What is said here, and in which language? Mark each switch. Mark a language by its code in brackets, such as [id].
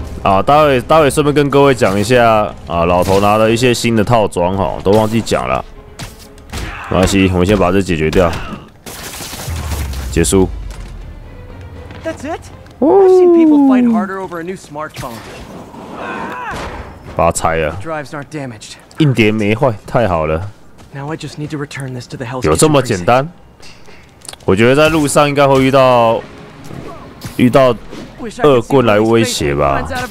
[zh] 啊，待会顺便跟各位讲一下啊，老头拿了一些新的套装哈，都忘记讲了。没关系，我们先把这解决掉，结束。 [en] That's it. I've seen people fight harder over a new smartphone. [zh] 把它拆了。 [en] Drives aren't damaged. [zh] 硬碟没坏，太好了。 [en] Now I just need to return this to the health. [zh] 有这么简单？我觉得在路上应该会遇到。恶棍来威胁吧！